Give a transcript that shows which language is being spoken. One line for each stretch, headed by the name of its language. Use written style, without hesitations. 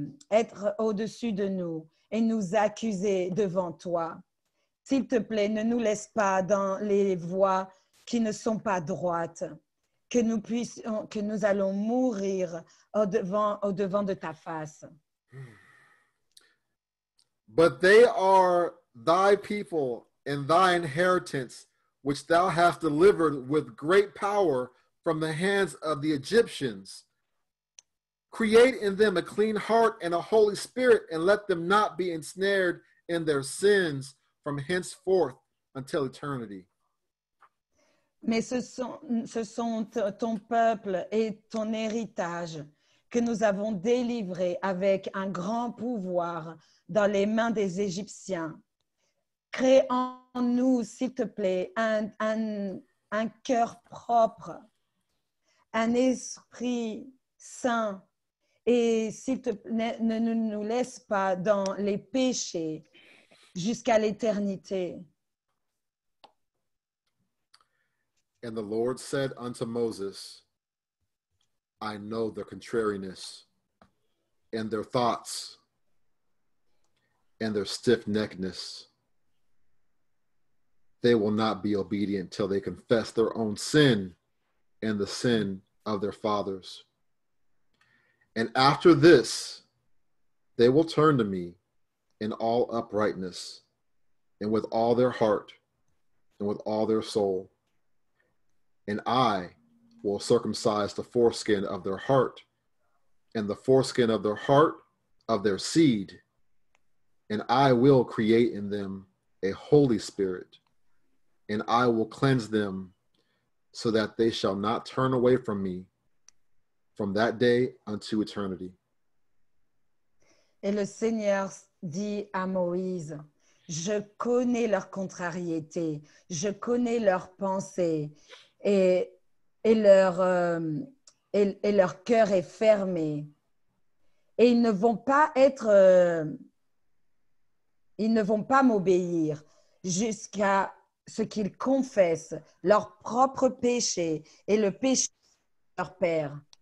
French: Être au-dessus de nous et nous accuser devant toi. S'il te plaît, ne nous laisse pas dans les voies qui ne sont pas droites. Que nous allons mourir au devant de ta face.
English: But they are thy people and thy inheritance, which thou hast delivered with great power from the hands of the Egyptians. Create in them a clean heart and a holy spirit, and let them not be ensnared in their sins from henceforth until eternity.
French: Mais ce sont ton peuple et ton héritage que nous avons délivré avec un grand pouvoir dans les mains des Égyptiens. Crée en nous, s'il te plaît, un cœur propre, un esprit saint, et s'il te plaît, ne nous laisse pas dans les péchés jusqu'à l'éternité.
English: And the Lord said unto Moses, I know their contrariness and their thoughts and their stiff-neckedness. they will not be obedient till they confess their own sin and the sin of their fathers. And after this, they will turn to me in all uprightness and with all their heart and with all their soul. And I will circumcise the foreskin of their heart and the foreskin of their heart of their seed. And I will create in them a holy spirit, and I will cleanse them so that they shall not turn away from me from that day unto eternity.
French: Et le Seigneur dit à Moïse, je connais leur contrariété, je connais leurs pensées et leur cœur est fermé. Et ils ne vont pas être, ils ne vont pas m'obéir jusqu'à ce qu'ils confessent leur propre péché et le péché de leur père.